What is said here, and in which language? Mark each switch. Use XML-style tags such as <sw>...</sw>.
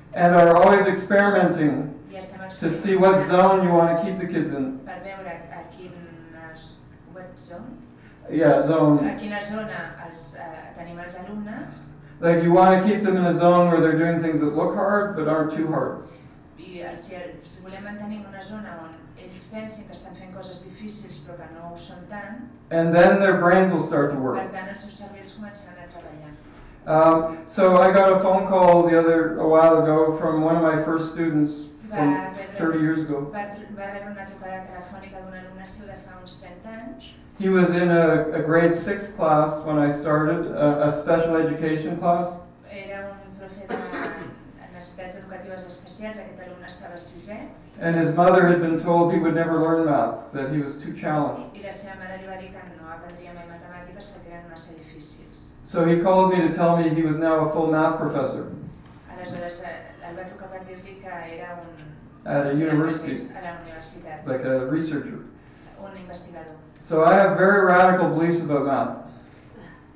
<en>and are always experimenting to see what zone you want to keep the kids in,</en> <ca>per veure a quina zona, a quina zona tenim els alumnes,</ca> <en>like you want to keep them in a zone where they're doing things that look hard but aren't too hard.</en> <ca>I si volem mantenir una zona on ells pensin que estan fent coses difícils però que no ho són tant,</ca> <en>and then their brains will start to work.</en> <ca>Per tant, els seus cervells començaran a treballar.</ca> <en>So I got a phone call a while ago from one of my first students from 30 years ago.</en> <ca>Va rebre una trucada telefònica d'un alumne seu de fa uns 30 anys.</ca> <en>He was in a grade 6 class when I started, a special education class.</en> <ca>Era un profe de necessitats educatives especials, aquest alumne estava a 6è.</ca> <en>And his mother had been told he would never learn math, that he was too challenged.</en> <ca>I la seva mare li va dir que no aprendria mai matemàtiques perquè eren massa difícils.</ca> <en>So he called me to tell me he was now a full math professor.</en> <ca>Aleshores, el va trucar per dir-li que era un...</ca> <en>At a university.</en> <ca>A la universitat.</ca> <en>Like a researcher.</en> <ca>Un investigador.</ca> <en>So I have very radical beliefs about math.</en>